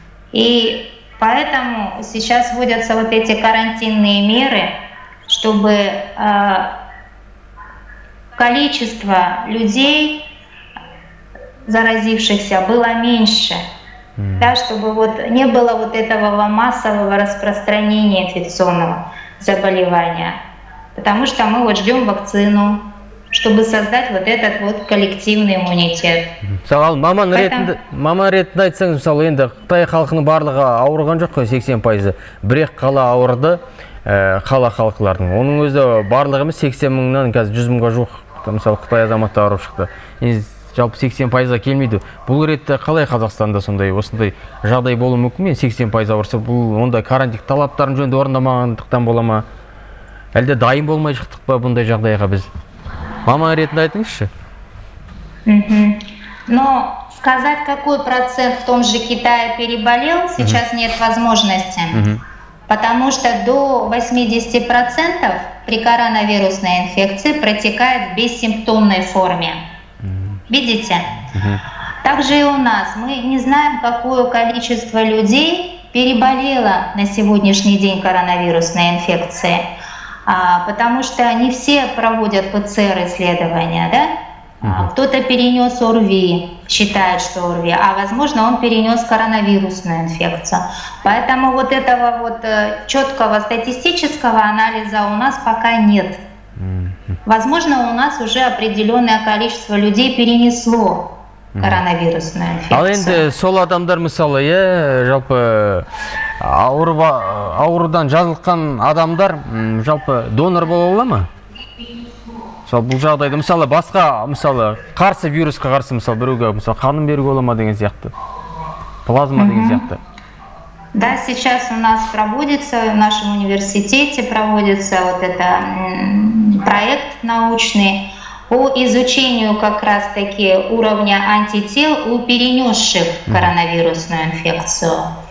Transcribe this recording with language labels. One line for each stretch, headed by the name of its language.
Russian: И поэтому сейчас вводятся вот эти карантинные меры, чтобы количество людей, заразившихся, было меньше, да, чтобы вот не было вот этого массового распространения инфекционного заболевания. Потому что мы вот ждем вакцину, чтобы создать вот этот вот коллективный иммунитет.
Kazakh: Сауал, маман ретінде айтсаңыз, мысалы, енді Қытай халқының барлығы ауырған жоқ қой, 80%-ы. Бірек қала ауырды, қала халқылардың. Оның өзі барлығымыз 80 мыңнан қазір 100 мыңға жуық. Мысалы, Қытай азаматтары ауырып шықты. Жалпы 80%-ға келмейді. Бұл ретте қалай Қазақстанда сондай осындай жағдай болуы мүмкін ме? 80% ауырса, бұл онда карантин талаптарын жөнді орындамағандықтан бола ма? Әлде дайын болмай шықтық па бұндай жағдайға біз? Маман ретінде айтыңызшы.
Russian: Но сказать, какой процент в том же Китае переболел, сейчас нет возможности. Потому что до 80% при коронавирусной инфекции протекает в бессимптомной форме. Видите? Также и у нас. Мы не знаем, какое количество людей переболело на сегодняшний день коронавирусной инфекцией. Потому что не все проводят ПЦР-исследования. Да? Кто-то перенес ОРВИ, считает, что ОРВИ, а возможно, он перенес коронавирусную инфекцию. Поэтому вот этого вот четкого статистического анализа у нас пока нет. Возможно, у нас уже определенное количество людей перенесло коронавирусную инфекцию.
Kazakh: Ал енді сол адамдар мысалы, е, жалпы аурудан жазылған адамдар жалпы донор бола ала ма? Мысалы, бұл жағдайды, мысалы, басқа, мысалы, қарсы вирусқа қарсы, мысалы, біреуге, мысалы, қанын беруге бола ма деген сияқты, плазма деген сияқты.
Russian: Да, сейчас у нас проводится, в нашем университете проводится вот это проект научный по изучению как раз-таки уровня антител у перенесших коронавирусную инфекцию.